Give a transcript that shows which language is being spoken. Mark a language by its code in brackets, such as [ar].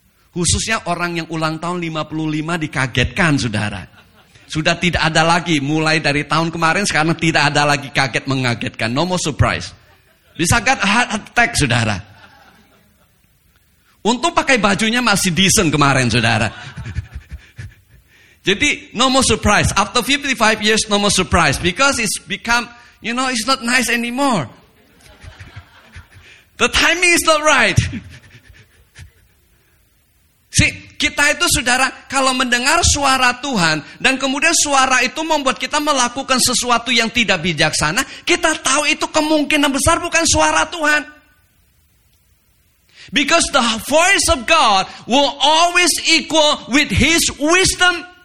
[id] Khususnya orang yang ulang tahun 55 dikagetkan saudara. Sudah tidak ada lagi. Mulai dari tahun kemarin, sekarang tidak ada lagi kaget mengagetkan. [en] No more surprise. [id] Bisa [en] get heart attack, [id] saudara. Untung pakai bajunya masih decent kemarin, saudara. Jadi, [en] no more surprise. After 55 years, no more surprise. Because it's become, you know, it's not nice anymore. The timing is not right. [id] See, kita itu, saudara, kalau mendengar suara Tuhan, dan kemudian suara itu membuat kita melakukan sesuatu yang tidak bijaksana, kita tahu itu kemungkinan besar bukan suara Tuhan. [en] Because the voice of God will always equal with His wisdom.